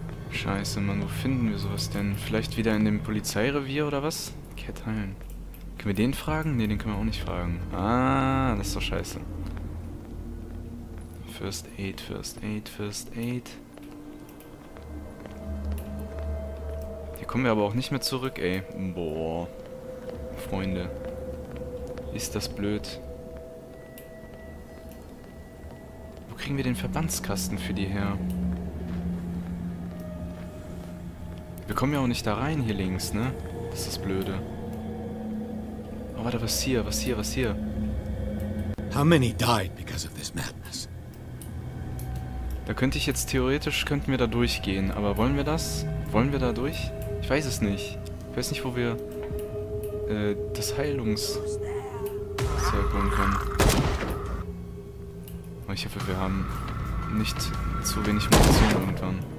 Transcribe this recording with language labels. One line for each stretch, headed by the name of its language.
German: Scheiße, Mann, wo finden wir sowas denn? Vielleicht wieder in dem Polizeirevier oder was? Cat heilen. Können wir den fragen? Ne, den können wir auch nicht fragen. Ah, das ist doch scheiße.
English: First Aid, First Aid, First Aid.
German: Hier kommen wir aber auch nicht mehr zurück, ey. Boah. Freunde. Ist das blöd. Wo kriegen wir den Verbandskasten für die her? Wir kommen ja auch nicht da rein hier links, ne? Das ist das Blöde. Oh, warte, was hier? Was hier? Was hier?
English: How many died because of this madness?
German: Da könnte ich jetzt theoretisch, könnten wir da durchgehen, aber wollen wir das? Wollen wir da durch? Ich weiß es nicht. Ich weiß nicht, wo wir das Heilungszeug holen können. Aber ich hoffe, wir haben nicht zu wenig Munition irgendwann.